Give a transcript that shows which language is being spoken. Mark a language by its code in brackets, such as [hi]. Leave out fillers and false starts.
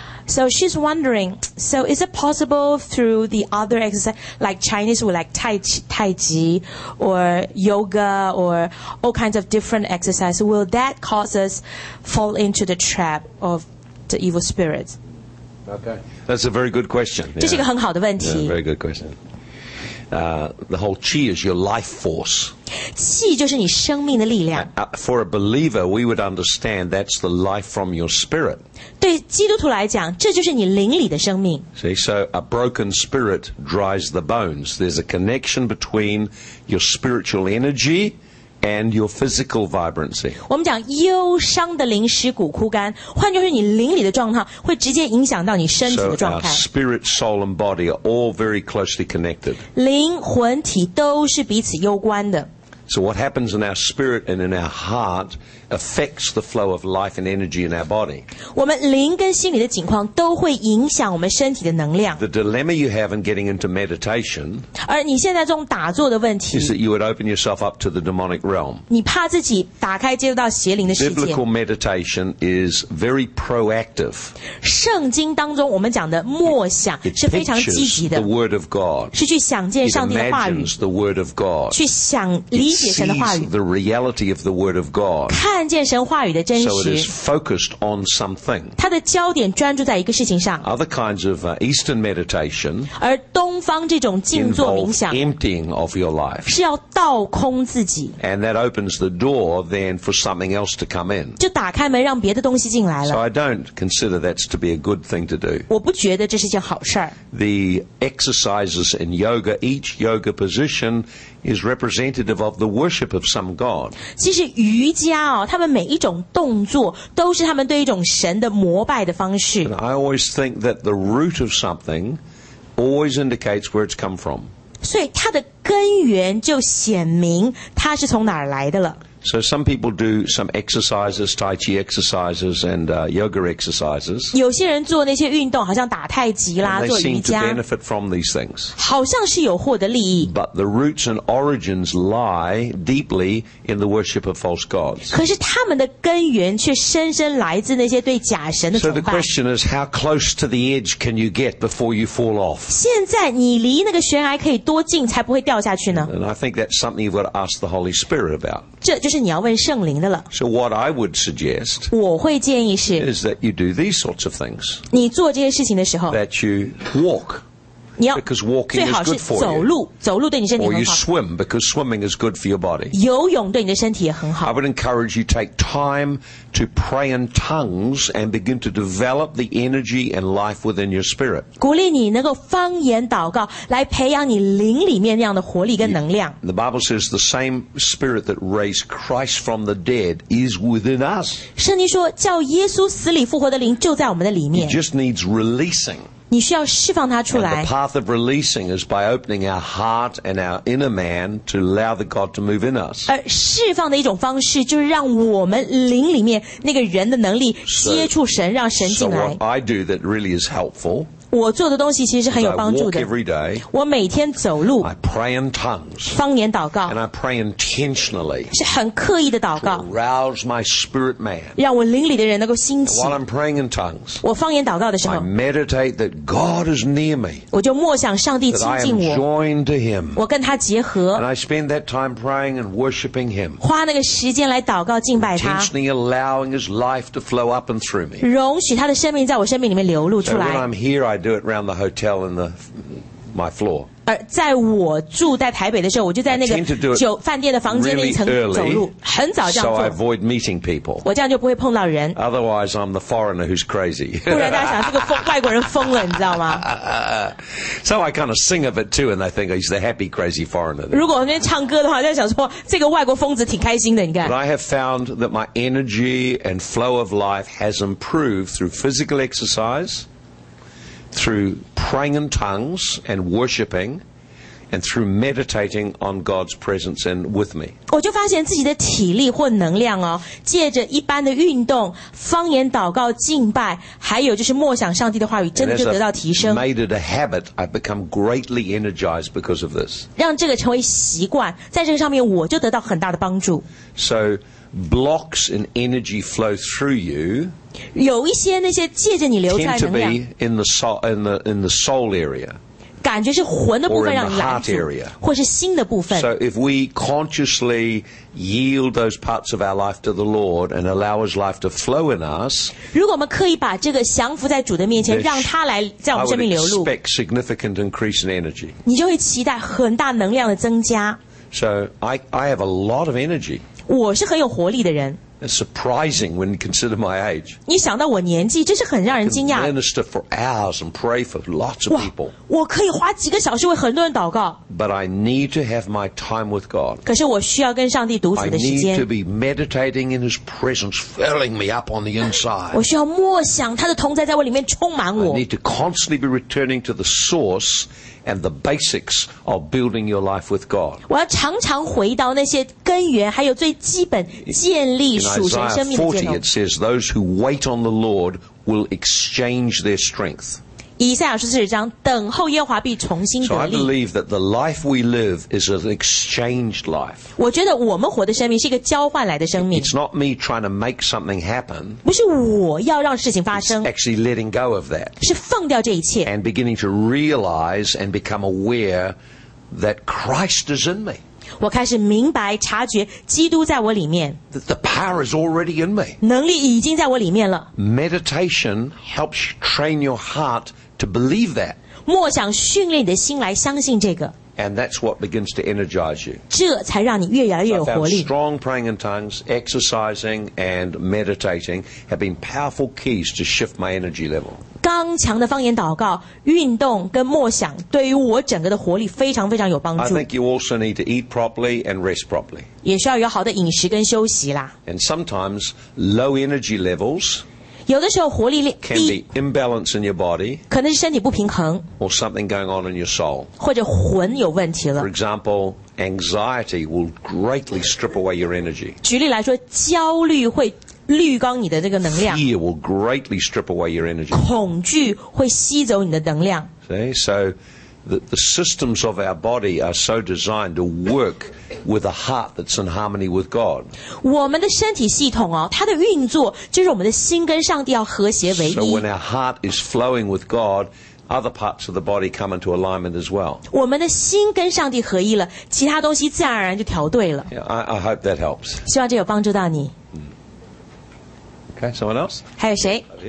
[en] So she's wondering, so is it possible through the other exercise, like Chinese would like tai chi or yoga or all kinds of different exercise, will that cause us fall into the trap of the evil spirits? Okay, that's a very good question. [zh] Yeah. 这是一个很好的问题。 [en] Yeah, very good question. The whole qi is your life force. [zh] 气就是你生命的力量。 [en] For a believer, we would understand that's the life from your spirit. [zh] 对基督徒来讲，这就是你灵里的生命。 [en] See, so a broken spirit dries the bones. There's a connection between your spiritual energy. And your physical vibrancy. [zh] 我们讲忧伤的灵使骨枯干，换就是你灵里的状态会直接影响到你身体的状态。 [en] So our spirit, soul, and body are all very closely connected. [zh] 灵魂体都是彼此攸关的。 [en] So what happens in our spirit and in our heart affects the flow of life and energy in our body. [zh] 我们灵跟心里的情况都会影响我们身体的能量。 [en] The dilemma you have in getting into meditation, [zh] 而你现在这种打坐的问题 [en] is that you would open yourself up to the demonic realm. [zh] 你怕自己打开接触到邪灵的世界。 [en] Biblical meditation is very proactive. [zh] 圣经当中我们讲的默想是非常积极的。 [en] The word of God. [zh] 是去想见上帝的话语。 [en] It imagines the word of God. [zh] 去想理解神的话语。 [en] Sees the reality of the word of God. [zh] 看见神话语的真实。 [en] So it is focused on something. [zh] 它的焦点专注在一个事情上。 [en] Other kinds of Eastern meditation. [zh] 而东方这种静坐冥想。 [en] Involve emptying of your life. [zh] 是要倒空自己。 [en] And that opens the door then for something else to come in. [zh] 就打开门让别的东西进来了。 [en] So I don't consider that to be a good thing to do. [zh] 我不觉得这是件好事。 [en] The exercises in yoga, each yoga position,is representative of the worship of some god. [zh] 其实瑜伽哦，他们每一种动作都是他们对一种神的膜拜的方式。 [en] And I always think that the root of something always indicates where it's come from. [zh] 所以它的根源就显明它是从哪儿来的了。 [en] So some people do some exercises, tai chi exercises and yoga exercises. [zh] 有些人做那些运动，好像打太极啦，做瑜伽。 [en] And they seem to benefit from these things. [zh] 好像是有获得利益。 [en] But the roots and origins lie deeply in the worship of false gods. [zh] 可是他们的根源却深深来自那些对假神的崇 [en] 拜。So the question is, how close to the edge can you get before you fall off? [zh] 现在你离那个悬崖可以多近才不会掉下去呢？ [en] And I think that's something you've got to ask the Holy Spirit about. [zh] 这就是你要问圣灵的了。 [en] So what I would suggest, [zh] 我会建议是 [en] is that you do these sorts of things. [zh] 你做这些事情的时候 [en] that you walk. [zh] 你要 [en] because walking is good for you. [zh] 走路，走路对你身体很好。 [en] Or you swim because swimming is good for your body. [zh] 游泳对你的身体也很好。 [en] I would encourage you take time to pray in tongues and begin to develop the energy and life within your spirit. [zh] 鼓励你能够方言祷告，来培养你灵里面那样的活力跟能量。 [en] The Bible says the same spirit that raised Christ from the dead is within us. [zh] 圣经说，叫耶稣死里复活的灵就在我们的里面。 [en] It just needs releasing. [zh] 你需要释放它出来。 [en] And the path of releasing is by opening our heart and our inner man to allow the God to move in us. [zh] 而释放的一种方式就是让我们灵里面那个人的能力接触神，让神进来。 [en] So what I do that really is helpful. [zh] 我做的东西其实是很有帮助的。 [en] I walk every day. [zh] 我每天走路。 [en] I pray in tongues. [zh] 方言祷告。 [en] And I pray intentionally. [zh] 是很刻意的祷告。 [en] To arouse my spirit man. [zh] 让我灵里的人能够兴起。 [en] While I'm praying in tongues. [zh] 我方言祷告的时候。 [en] I meditate that. God is near me. [zh] 我就默想上帝亲近我。 [en] That I am joined to Him. [zh] 我跟他结合。 [en] And I spend that time praying and worshiping Him. [zh] 花那个时间来祷告敬拜他。 [en] Intentionally allowing His life to flow up and through me. [zh] 容许他的生命在我生命里面流露出来。 [en] So when I'm here, I I do it around the hotel in the my floor. [zh] 在我住在台北的时候，我就在那个酒饭店的房间那一层走路，很早这样做。 [en] So I avoid meeting people. [zh] 我这样就不会碰到人。 [en] Otherwise, I'm the foreigner who's crazy. [zh] 不然大家想这个外国人疯了，你知道吗 [en] ？So I kind of sing of it too, and they think he's the happy crazy foreigner. [zh] 如果我那边唱歌的话，就想说这个外国疯子挺开心的，你看。 [en] But I have found that my energy and flow of life has improved through physical exercise. Through praying in tongues and worshiping, and through meditating on God's presence and with me. [zh] 我就发现自己的体力或能量哦，借着一般的运动、方言祷告、敬拜，还有就是默想上帝的话语，真的就得到提升。 [en] And as I made it a habit, I become greatly energized because of this. [zh] 让这个成为习惯，在这个上面我就得到很大的帮助。 [en] So blocks in energy flow through you. [zh] 有一些那些借着你流出来的 [en] 能量 tend to be in the soul area [zh] 感觉是魂的部分让你拦住 [en] area, [zh] 或是心的部分 [en] So if we consciously yield those parts of our life to the Lord and allow his life to flow in us [zh] 如果我们刻意把这个降服在主的面前 [en] this, [zh] 让他来在我们生命流入 [en] I would expect significant increase in energy [zh] 你就会期待很大能量的增加 [en] So I have a lot of energy [zh] 我是很有活力的人 [en] It's surprising when you consider my age. [zh] 你想到我年纪，这是很让人惊讶。 [en] I can minister for hours and pray for lots of people. [zh] 我可以花几个小时为很多人祷告。 [en] But I need to have my time with God. [zh] 可是我需要跟上帝独处的时间。 [en] I need to be meditating in His presence, filling me up on the inside. [zh] 我需要默想他的同在在我里面充满我。 [en] I need to constantly be returning to the source. And the basics of building your life with God. [zh] 我要常常回到那些根源，还有最基本建立属神生命的建立。 [en] In Isaiah 40, it says, "Those who wait on the Lord will exchange their strength." [zh] 以赛亚书四十章，等候耶和华必重新得力。 [en] So I believe that the life we live is an exchanged life. [zh] 我觉得我们活的生命是一个交换来的生命。 [en] It's not me trying to make something happen. [zh] 不是我要让事情发生。 [en] It's actually letting go of that. [zh] 是放掉这一切。 [en] And beginning to realize and become aware that Christ is in me. [zh] 我开始明白察觉基督在我里面。 [en] That the power is already in me. [zh] 能力已经在我里面了。 [en] Meditation helps you train your heart. To believe that. [zh] 默想训练你的心来相信这个。 [en] And that's what begins to energize you. [zh] 这才让你越来越有活力。 [en] Strong praying in tongues, exercising, and meditating have been powerful keys to shift my energy level. [zh] 刚强的方言祷告、运动跟默想对于我整个的活力非常非常有帮助。 [en] I think you also need to eat properly and rest properly. [zh] 也需要有好的饮食跟休息啦。 [en] And sometimes low energy levels. [zh] 有的时候活力力 [en] can be imbalance in your body, [zh] 可能是身体不平衡 [en] or something going on in your soul, [zh] 或者魂有问题了 [en] For example, anxiety will greatly strip away your energy. [zh] 举例来说，焦虑会滤光你的这个能量 [en] Fear will greatly strip away your energy. [zh] 恐惧会吸走你的能量 [en] See, so the systems of our body are so designed to work with a heart that's in harmony with God. [zh] 我们的身体系统哦，它的运作就是我们的心跟上帝要和谐为一。 [en] So when our heart is flowing with God, other parts of the body come into alignment as well. [zh] 我们的心跟上帝合一了，其他东西自然而然就调对了。 [en] Yeah, I hope that helps. [zh] 希望这有帮助到你。 [en] Okay, someone else? [zh] 还有谁？